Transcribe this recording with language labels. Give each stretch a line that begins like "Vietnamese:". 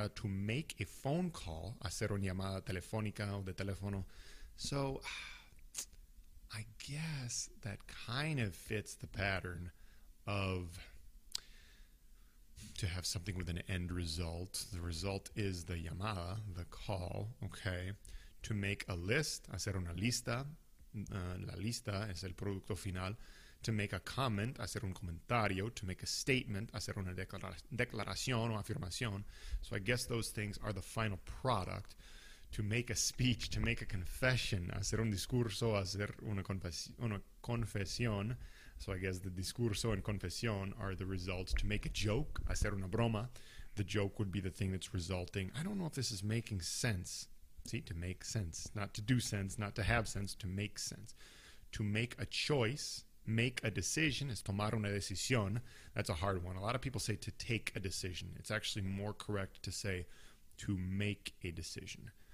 English: To make a phone call,
Spanish: hacer una llamada telefónica o de teléfono.
English: So, I guess that kind of fits the pattern of to have something with an end result. The result is the llamada, the call, okay? To make a list,
Spanish: hacer una lista. La lista es el producto final.
English: To make a comment,
Spanish: hacer un comentario.
English: To make a statement,
Spanish: hacer una declaración o afirmación.
English: So I guess those things are the final product. To make a speech, to make a confession,
Spanish: hacer un discurso, hacer una confesión.
English: So I guess the discurso and confesión are the results. To make a joke,
Spanish: hacer una broma.
English: The joke would be the thing that's resulting. I don't know if this is making sense. See, to make sense, not to do sense, not to have sense, to make sense. To make a choice, make a decision, is
Spanish: tomar una decisión.
English: That's a hard one. A lot of people say to take a decision. It's actually more correct to say to make a decision.